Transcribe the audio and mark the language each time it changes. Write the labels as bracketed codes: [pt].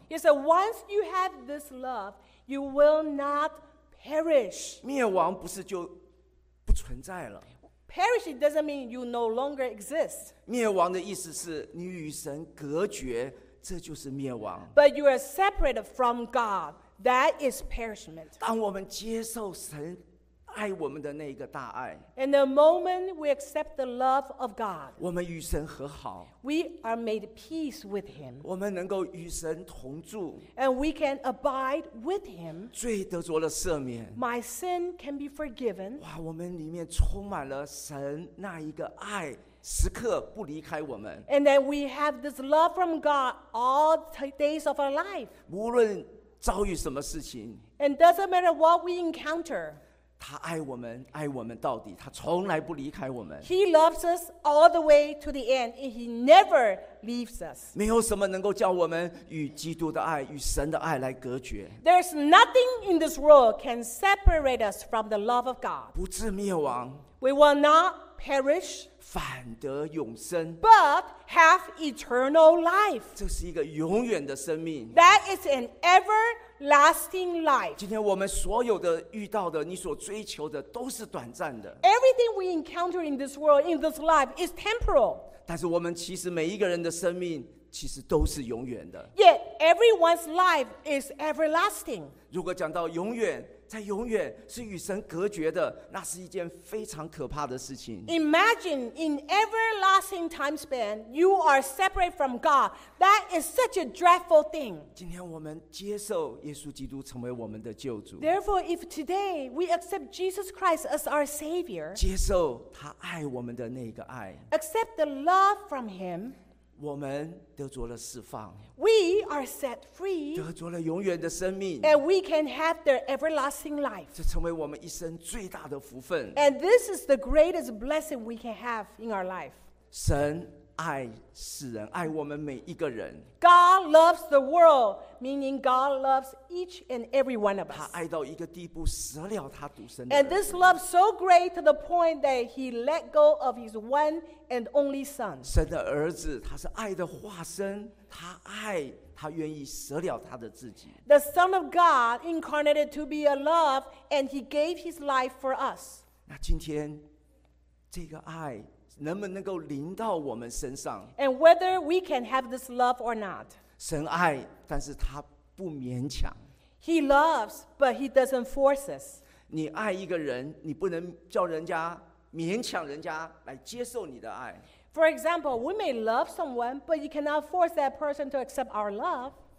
[en] He said, once you have this love, you will not perish. [zh] 灭亡不是就不存在了。 [en] Perish doesn't mean you no longer exist. [zh] 灭亡的意思是你与神隔绝，这就是灭亡。 [en] But you are separated from God. That is perishment. [zh] 当我们接受神爱我们的那个大爱 [en] ，and the moment we accept the love of God, [zh] 我们与神和好 [en] ，we are made peace with Him. [zh] 我们能够与神同住 [en] ，and we can abide with Him. [zh] 罪得着了赦免 [en] ，my sin can be forgiven. [zh] 哇，我们里面充满了神那一个爱，时刻不离开我们 [en] ，and then we have this love from God all days of our life. [zh] 无论遭遇什么事情 [en] ，and doesn't matter what we encounter. [zh] 他爱我们，爱我们到底，他从来不离开我们。 [en] He loves us all the way to the end, and he never leaves us. [zh] 没有什么能够叫我们与基督的爱、与神的爱来隔绝。 [en] There's nothing in this world can separate us from the love of God. [zh] 不至灭亡。 [en] We will not perish. [zh] 反得永生。 [en] But have eternal life. [zh] 这是一个永远的生命。 [en] That is an ever. Lasting life. [zh] 今天我们所有的遇到的，你所追求的，都是短暂的。 [en] Everything we encounter in this world, in this life, is temporal. [zh] 但是我们其实每一个人的生命，其实都是永远的。 [en] Yet everyone's life is everlasting. [zh] 如果讲到永远，在永远是与神隔绝的，那是一件非常可怕的事情。 [en] Imagine in everlasting time span, you are separate from God. That is such a dreadful thing. [zh] 今天我们接受耶稣基督成为我们的救主。 [en] Therefore, if today we accept Jesus Christ as our Savior, [zh] 接受他爱我们的那个爱 [en] accept the love from Him. [zh] 我们得着了释放 [en] We are set free [zh] 得着了永远的生命 [en] And we can have their everlasting life [zh] 这成为我们一生最大的福分 [en] And this is the greatest blessing we can have in our life [zh] 神爱世人爱我们每一个人 [en] God loves the world meaning God loves each and every one of us [zh] 他爱到一个地步舍了他独生的 [en] And this love so great to the point that he let go of his one and only son [zh] 神的儿子他是爱的化身他爱他愿意舍了他的自己 [en] The son of God incarnated to be a love and he gave his life for us [zh] 那今天这个爱能不能够临到我们身上 [en] And whether we can have this love or not [zh] 神爱但是他不勉强 [en] He loves, but he doesn't force us. [zh] 你爱一个人，你不能叫人家勉强人家来接受你的爱。 [en] For example, we may love someone, but you cannot force that person to accept our love.